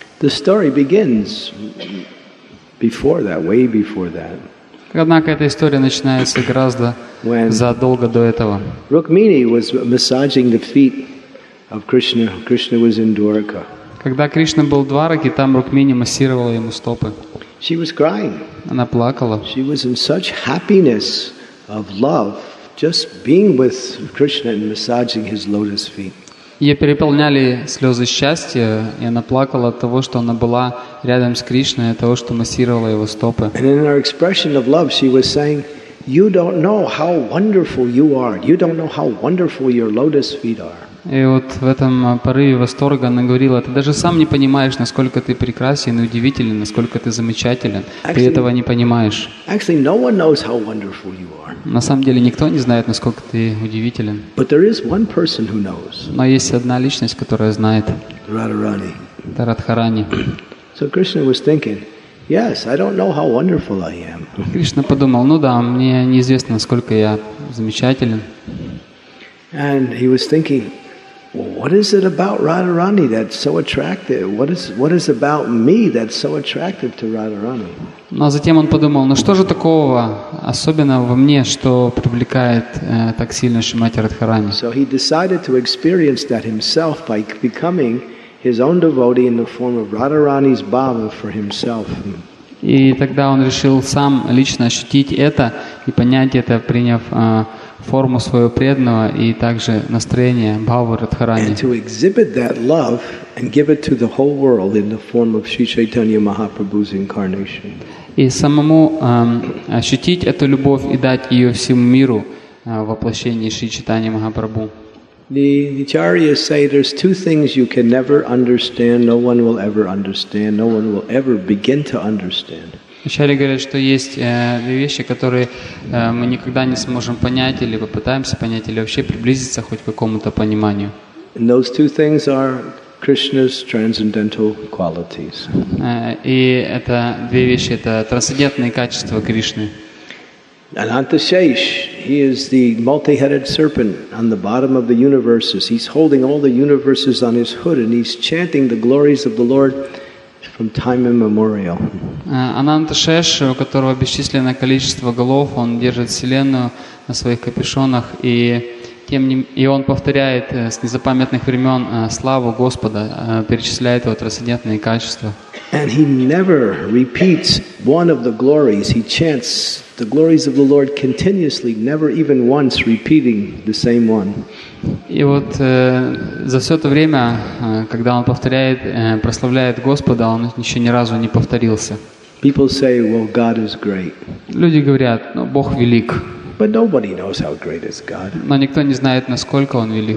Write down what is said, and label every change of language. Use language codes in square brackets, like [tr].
[en] The story begins before that, way before that. [ru] Однако эта история начинается гораздо задолго до этого. [en] Rukmini was massaging the feet of Krishna. Krishna was in Dwarka. [ru] Когда Кришна был в Двараке, там Рукмини массировала ему стопы. [en] She was crying. [ru] Она плакала. [en] She was in such happiness of love. Just being with Krishna and massaging his lotus feet. [ru] Ее переполняли слезы счастья, и она плакала от того, что она была рядом с Кришной, от того, что массировала его стопы. [en] And in her expression of love, she was saying, "You don't know how wonderful you are. You don't know how wonderful your lotus feet are." [ru] И вот в этом порыве восторга она говорила: "Ты даже сам не понимаешь, насколько ты прекрасен и удивителен, насколько ты замечателен. Ты этого не понимаешь." [en] Actually, no one knows how wonderful you are. [ru] На самом деле никто не знает, насколько ты удивителен. [en] But there is one person who knows. [ru] Но есть одна личность, которая знает. [en] Radharani. [ru] Это Радхарани. [en] So Krishna was thinking, "Yes, I don't know how wonderful I am." [ru] Кришна подумал: "Ну да, мне неизвестно, насколько я замечателен." [en] And he was thinking, What is it about Radharani that's so attractive? What is about me that's so attractive to Radharani? [ru] Ну, а затем он подумал, ну что же такого особенного во мне, что привлекает так сильно Шримати Радхарани? [en] So he decided to experience that himself by becoming his own devotee in the form of Radharani's Baba for himself. [ru] И тогда он решил сам лично ощутить это и понять это, приняв форму своего преданного и также настроение Бхавы Радхарани. [en] And to exhibit that love and give it to the whole world in the form of Sri Chaitanya Mahaprabhu's incarnation. [ru] И самому ощутить эту любовь и дать ее всему миру в воплощении Шри Чайтаньи Махапрабху. [en] The Acharyas say there's two things you can never understand, no one will ever understand, no one will ever begin to understand. [ru] Вначале говорят, что есть две вещи, которые мы никогда не сможем понять или попытаемся понять, или вообще приблизиться хоть к какому-то пониманию. [en] And those two things are Krishna's transcendental qualities. [ru] И это две вещи, это трансцендентные качества Кришны. [en] Anantashesh, he is the multi-headed serpent on the bottom of the universes. He's holding all the universes on his hood and he's chanting the glories of the Lord from time immemorial. [ru] Анантшеш, у которого бесчисленное количество голов, он держит вселенную на своих капюшонах и тем не и он повторяет с незапамятных времен славу Господа, перечисляет его трансцендентные качества. [en] And he never repeats one of the glories. He chants the glories of the Lord continuously, never even once repeating the same one. [ru] И вот за все то время, когда он повторяет, прославляет Господа, он еще ни разу не повторился. [en] People say, "Well, God is great." [ru] Люди говорят, ну Бог велик. [en] But nobody knows how great is God. [ru] Но никто не знает, насколько он велик.